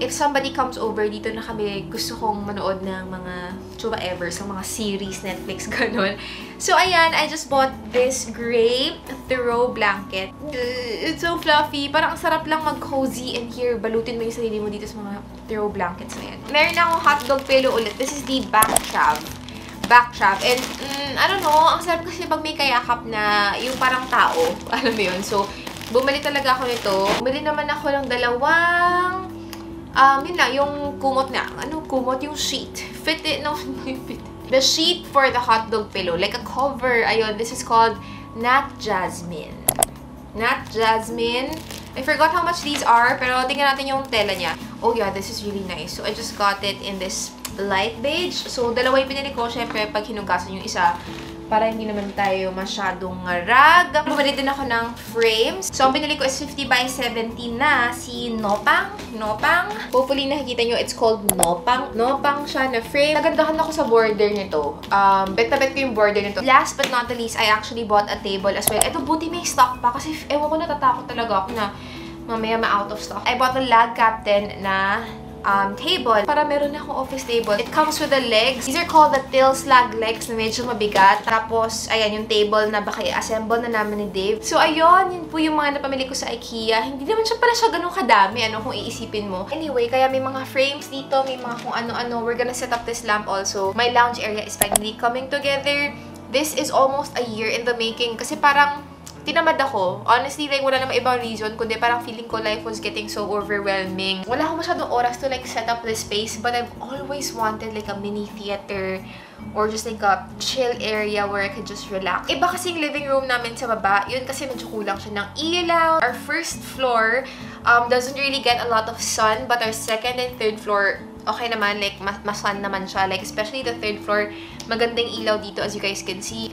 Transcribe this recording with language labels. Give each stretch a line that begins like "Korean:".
English: If somebody comes over,
Filipino: dito na kami, gusto kong manood ng mga chuba ever, sa mga series, Netflix, ganun.
English: So, ayan, I just bought this gray throw blanket. It's so fluffy.
Filipino: Parang ang sarap lang mag-cozy in here. Balutin mo yung sarili mo dito sa mga throw blankets na yan. Meron akong hotdog pillow ulit.
English: This is the back shab. Back shab. And, I don't know,
Filipino: ang sarap kasi pag may kayakap na yung parang tao. Alam mo yun? So, bumili talaga ako nito. Bumili naman ako ng dalawang... yun na, yung kumot na. Ano kumot? Yung sheet. Fit it. No, fit.
English: The sheet for the hot dog pillow. Like a cover. Ayun, this is called Nat Jasmine. Nat Jasmine. I forgot how much these are,
Filipino: pero tingnan natin yung tela niya.
English: Oh yeah, this is really nice. So I just got it in this light beige.
Filipino: So dalawa yung pinili ko. Syempre, pag hinugasan yung isa, para hindi naman tayo masyadong ngarag. Bumili din ako ng frames. So, ang binili ko is 50 by 70 na si Nopang. Nopang.
English: Hopefully, nakikita nyo, it's called Nopang.
Filipino: Nopang siya na frame. Nagandahan ako sa border nito. Bet-bet ko yung border nito.
English: Last but not the least, I actually bought a table as well.
Filipino: Ito, buti may stock pa kasi ewan ko, natatakot talaga ako na mamaya ma-out of stock.
English: I bought a Lag Captain na table.
Filipino: Para meron na akong office table.
English: It comes with the legs. These are called the Till Slag legs
Filipino: na medyo mabigat. Tapos, ayan yung table na baka i-assemble na naman ni Dave. So, ayun. Yun po yung mga napamili ko sa IKEA. Hindi naman siya pala siya ganun kadami. Ano kung iisipin mo. Anyway, kaya may mga frames dito. May mga kung ano-ano.
English: We're gonna set up this lamp also. My lounge area is finally coming together. This is almost a year in the making.
Filipino: Kasi parang tinamad ako. Honestly, like, wala namang ibang reason, kundi parang feeling ko
English: life was getting so overwhelming.
Filipino: Wala akong masyadong oras
English: to, like, set up the space, but I've always wanted, like, a mini theater or just, like, a chill area where I could just relax.
Filipino: Iba kasi yung living room namin sa baba, yun kasi medyo kulang siya ng ilaw.
English: Our first floor doesn't really get a lot of sun, but our second and third floor,
Filipino: okay naman, like, masun naman siya.
English: Like, especially the third floor,
Filipino: magandang ilaw dito,
English: as you guys can see.